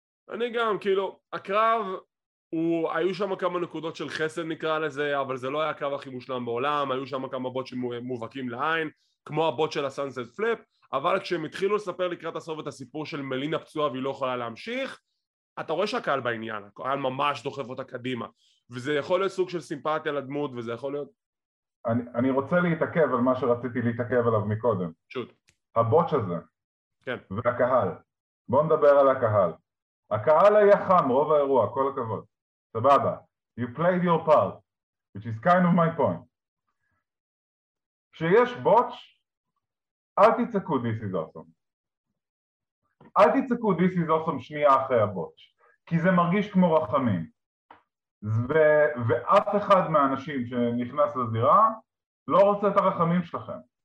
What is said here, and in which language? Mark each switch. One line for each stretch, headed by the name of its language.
Hebrew: אני גם, כאילו, הקרב, היו שם כמה נקודות של חסד נקרא לזה, אבל זה לא היה הקרב הכי מושלם בעולם, היו שם כמה בוט שמובהקים לעין, כמו הבוט של הסנסט פליפ, אבל כשהם התחילו לספר לקראת הסוף את הסיפור של מלינה פצועה והיא לא יכולה להמשיך, אתה רואה שהקהל בעניין, הקהל ממש דוחף אותה קדימה, וזה יכול להיות סוג של סימפתיה לדמות, וזה יכול להיות... אני רוצה להתעכב על מה שרציתי להתעכב עליו מקודם. שוט. הבוט הזה. כן. והקהל. בואו נדבר על הקהל. הקהל היה חם, רוב האירוע, כל הכבוד. סבבה.
English: You played your part, which is kind of my point.
Hebrew: כשיש בוט, אל תצעקו
English: this is awesome.
Hebrew: אל תצעקו
English: this is awesome
Hebrew: שנייה אחרי הבוטש, כי זה מרגיש כמו רחמים. ואף אחד מהאנשים שנכנס לזירה לא רוצה את הרחמים שלכם.